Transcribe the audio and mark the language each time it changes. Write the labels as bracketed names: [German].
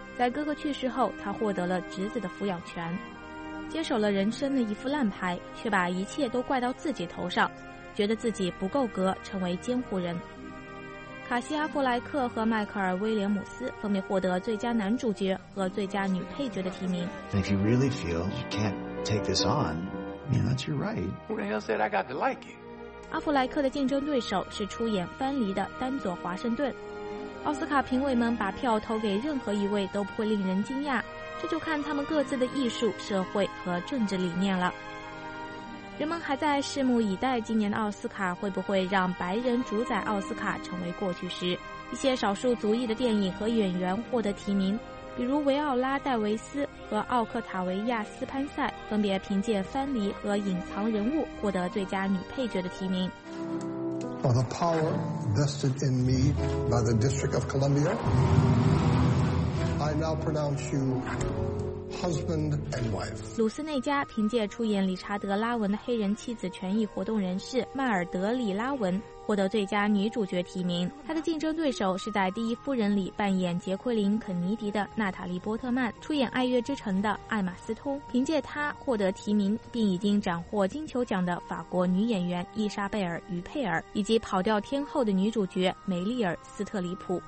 [Chinese] 在哥哥去世后，他获得了侄子的抚养权，接手了人生的一副烂牌，却把一切都怪到自己头上，觉得自己不够格成为监护人。卡西·阿弗莱克和迈克尔·威廉姆斯分别获得最佳男主角和最佳女配角的提名。 [English] If you really feel you can't take this on, you know, that's your right. Who the hell said I got to like you? [Chinese] 阿弗莱克的竞争对手是出演《藩篱》的丹佐·华盛顿。奥斯卡评委们把票投给任何一位都不会令人惊讶，这就看他们各自的艺术、社会和政治理念了。人们还在拭目以待，今年的奥斯卡会不会让白人主宰奥斯卡成为过去时。一些少数族裔的电影和演员获得提名，比如维奥拉·戴维斯和奥克塔维亚·斯潘塞分别凭借《藩篱》和《隐藏人物》获得最佳女配角的提名。 [English] By the power vested in me by the District of Columbia, I now pronounce you husband and wife. [Chinese] 鲁斯内加凭借出演理查德·拉文的黑人妻子权益活动人士迈尔德里·拉文获得最佳女主角提名。她的竞争对手是在《第一夫人》里扮演杰奎琳·肯尼迪的娜塔莉·波特曼，出演《爱乐之城》的艾玛·斯通，凭借她获得提名，并已经斩获金球奖的法国女演员伊莎贝尔·于佩尔，以及跑调天后的女主角梅丽尔·斯特里普。